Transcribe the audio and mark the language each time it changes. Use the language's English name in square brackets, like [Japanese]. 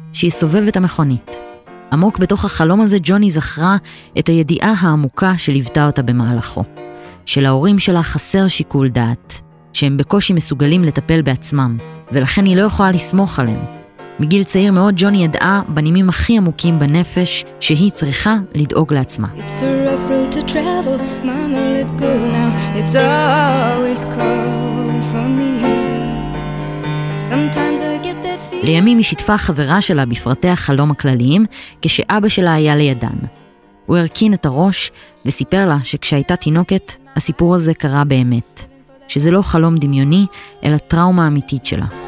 [Hebrew] שהיא סובבת המכונית. עמוק בתוך החלום הזה ג'וני זכרה את הידיעה העמוקה שליוותה אותה במהלכו. שלהורים שלה חסר שיקול דעת, שהם בקושי מסוגלים לטפל בעצמם, ולכן היא לא יכולה לסמוך עליהם. מגיל צעיר מאוד ג'וני ידעה בנימים הכי עמוקים בנפש שהיא צריכה לדאוג לעצמה. [English] It's a rough road to travel, mama let go now, it's always cold for me. Sometimes I get that feeling. [Hebrew] לימים היא שיתפה חברה שלה בפרטי החלום הכלליים כשאבא שלה היה לידן. הוא הרכין את הראש וסיפר לה שכשהייתה תינוקת הסיפור הזה קרה באמת. שזה לא חלום דמיוני אלא טראומה אמיתית שלה.